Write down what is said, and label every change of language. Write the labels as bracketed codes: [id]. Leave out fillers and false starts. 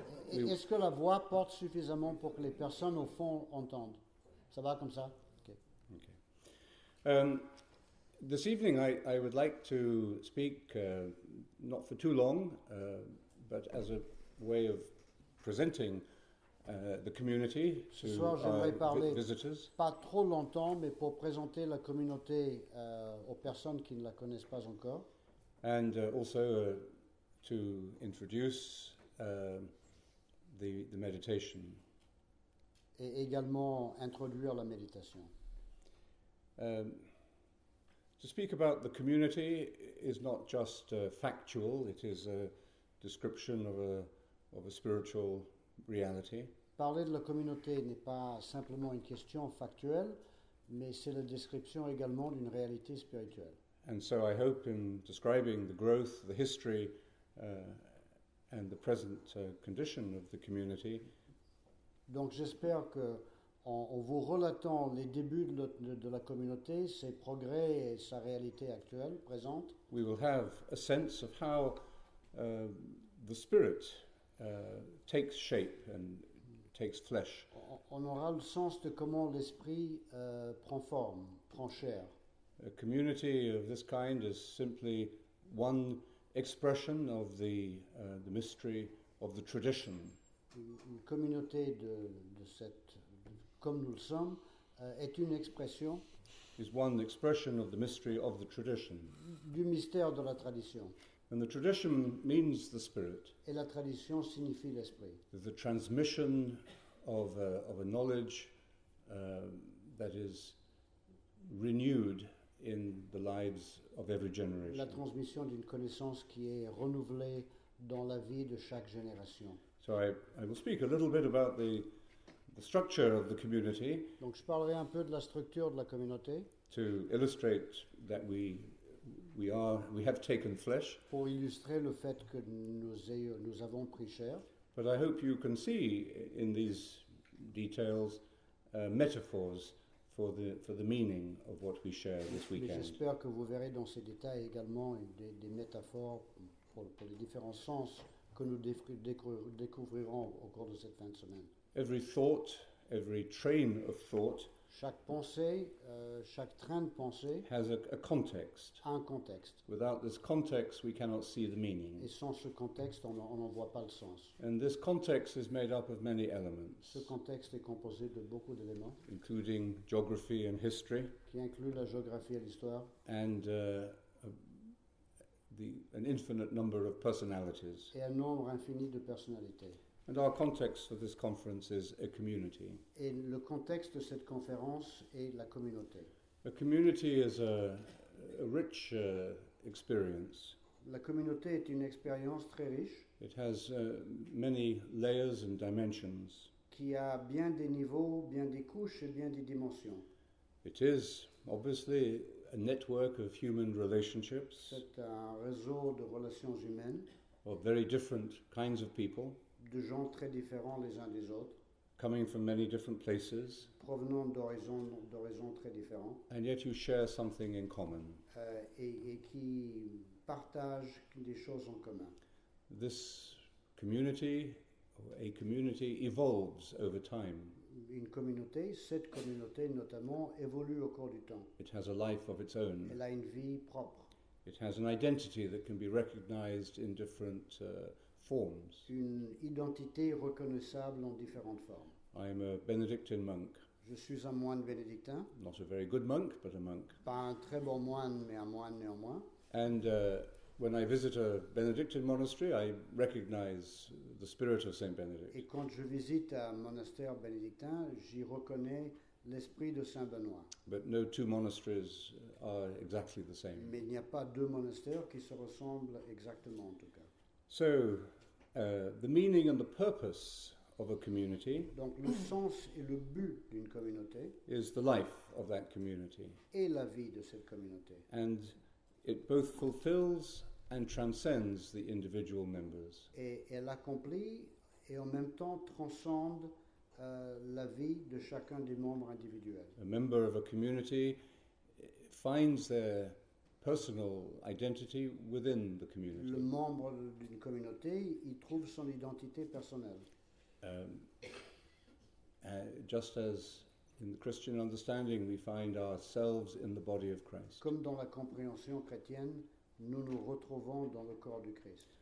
[fr] Est-ce que la voix porte suffisamment pour que les personnes au fond entendent? Ça va comme ça? [en] Okay. This evening, I would like to speak not for too long, but as a way of presenting the community to visitors. [fr] Pas trop longtemps, mais pour présenter la communauté aux personnes qui ne la connaissent pas encore. [en] And also to introduce the meditation. [fr] Et également introduire la méditation. [en] To speak about the community is not just factual, it is a description of a spiritual reality. [fr] Parler de la communauté n'est pas simplement une question factuelle, mais c'est la description également d'une réalité spirituelle. [en] And so I hope in describing the growth, the history and the present condition of the community. [fr] Donc j'espère que En vous relatant les débuts de la communauté, ses progrès et sa réalité actuelle, présente. [en] We will have a sense of how the spirit takes shape and takes flesh. [fr] On aura le sens de comment l'esprit prend forme, prend chair. [en] A community of this kind is simply one expression of the mystery of the tradition. [fr] Une communauté de cette, de, comme nous le sommes, est une expression. [en] Is one expression of the mystery of the tradition. [fr] Du mystère de la tradition. [en] And the tradition means the spirit. [fr] Et la tradition signifie l'esprit. [en] The transmission of a knowledge that is renewed in the lives of every generation. [fr] La transmission d'une connaissance qui est renouvelée dans la vie de chaque génération. [en] So I will speak a little bit about the structure of the community. [fr] Donc je parlerai un peu de la structure de la communauté. [en] To illustrate that we have taken flesh. [fr] Pour illustrer le fait que nous avons pris chair. [en] But I hope you can see in these details metaphors for the meaning of what we share this weekend. [fr] Mais j'espère que vous verrez dans ces détails également des métaphores pour les différents sens que nous découvrirons au cours de cette fin de semaine. [en] Every thought, every train of thought, [fr] chaque pensée, chaque train de pensée, [en] has a context. [fr] Un contexte. [en] Without this context, we cannot see the meaning. [fr] Et sans ce contexte, on n'en voit pas le sens. [en] And this context is made up of many elements. [fr] Ce contexte est composé de beaucoup d'éléments, [en] including geography and history, [fr] qui inclut la géographie et l'histoire, [en] and an infinite number of personalities. [fr] Et un nombre infini de personnalités. [en] And our context for this conference is a community. [fr] Et le contexte de cette conférence est la communauté. [en] A community is a rich experience. [fr] La communauté est une expérience très riche. [en] It has many layers and dimensions. [fr] Qui a bien des niveaux, bien des couches et bien des dimensions. [en] It is obviously a network of human relationships. [fr] C'est un réseau de relations humaines. [en] Of very different kinds of people. [fr] De gens très différents les uns des autres, [en] coming from many different places, [fr] provenant d'horizons très différents, [en] and yet you share something in common, [fr] et qui partagent des choses en commun. [en] This community, or a community, evolves over time. [fr] Une communauté, cette communauté notamment, évolue au cours du temps. [en] It has a life of its own. [fr] Elle a une vie propre. [en] It has an identity that can be recognized in different forms. [fr] Une identité reconnaissable en différentes formes. [en] I am a Benedictine monk. [fr] Je suis un moine bénédictin. [en] Not a very good monk, but a monk. [fr] Pas un très bon moine, mais un moine néanmoins. [en] And when I visit a Benedictine monastery, I recognize the spirit of Saint Benedict. [fr] Et quand je visite un monastère bénédictin, j'y reconnais l'esprit de Saint Benoît. [en] But no two monasteries are exactly the same. [fr] Mais il n'y a pas deux monastères qui se ressemblent exactement en tout cas. [en] So, the meaning and the purpose of a community, [fr] donc le sens et le but d'une communauté, [en] is the life of that community. [fr] Et la vie de cette communauté. [en] And it both fulfills and transcends the individual members. [fr] Et elle accomplit et en même temps transcende la vie de chacun des membres individuels. [en] A member of a community finds their personal identity within the community. [fr] Le membre d'une communauté, il trouve son identité personnelle. [en] Just as in the Christian understanding, we find ourselves in the body of Christ. [fr] Comme dans la compréhension chrétienne, nous nous retrouvons dans le corps du Christ.